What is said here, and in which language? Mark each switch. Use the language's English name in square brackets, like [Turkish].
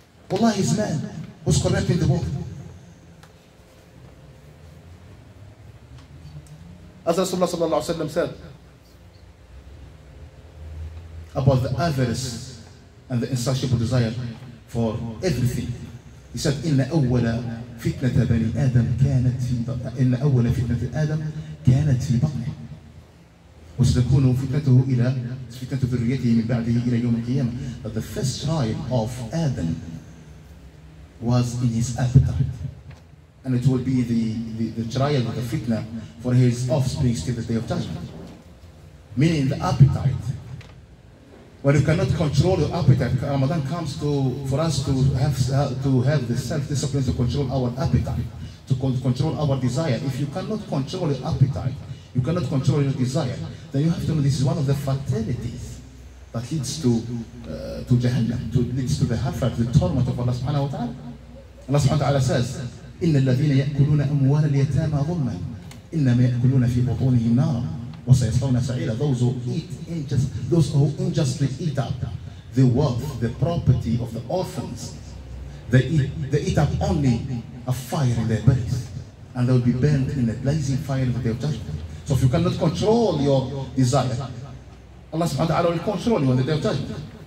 [English] Allah is man who's corrupting the world. As Rasulullah [Arabic] صلى الله عليه وسلم [English] said about the avarice and the insatiable desire for everything. He said, [Arabic] إن أول فتنة بني آدم كانت في إن أول فتنة آدم كانت في بطنه وستكون فتنته إلى فتنة ذريته من بعده إلى يوم القيامة. [English] But the first trial of Adam was in his appetite, and it will be the trial of the fitna for his offspring till the day of judgment. Meaning the appetite. When you cannot control your appetite, Ramadan comes to for us to have the self-discipline to control our appetite, to control our desire. If you cannot control your appetite, you cannot control your desire, then you have to know this is one of the fatalities that leads to Jahannam, leads to the hafar, the torment of Allah subhanahu wa ta'ala. Allah subhanahu wa ta'ala says, [Arabic] إِنَّ الَّذِينَ يَأْكُلُونَ أَمْوَالَ الْيَتَامَ ظُلْمًا إِنَّمَا يَأْكُلُونَ فِي بُطُونِهِمْ نَارًا. [English] Those who eat unjustly eat up the wealth, the property of the orphans. They eat up only a fire in their bellies, and they will be burnt in a blazing fire in the day of judgment. So if you cannot control your desire, Allah subhanahu wa ta'ala will control you in the day of judgment.